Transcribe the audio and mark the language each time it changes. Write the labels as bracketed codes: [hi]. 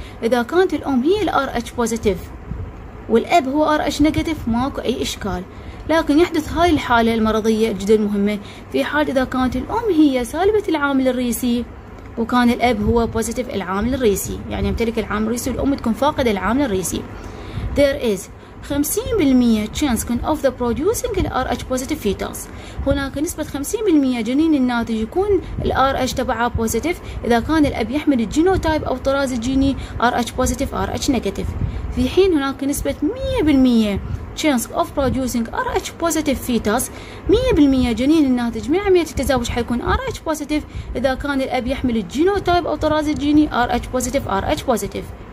[ar] اذا كانت الام هي الار اتش بوزيتيف والاب هو ار اتش نيجاتيف ماكو اي اشكال، لكن يحدث هاي الحاله المرضيه جدا مهمه في حال اذا كانت الام هي سالبه العامل الرئيسي وكان الاب هو بوزيتيف العامل الرئيسي، يعني يمتلك العامل الرئيسي والام تكون فاقده العامل الرئيسي. [en] There is 50% chance of the producing the Rh positive fetus. [ar] هناك نسبة 50% جنين الناتج يكون Rh تبعه positive إذا كان الأب يحمل الجينوتايب أو الطراز الجيني Rh positive Rh negative. في حين هناك نسبة [en] 100% chance of producing Rh positive fetus. [ar] 100% جنين الناتج من عملية التزاوج حيكون Rh positive إذا كان الأب يحمل الجينوتايب أو الطراز الجيني Rh positive Rh positive.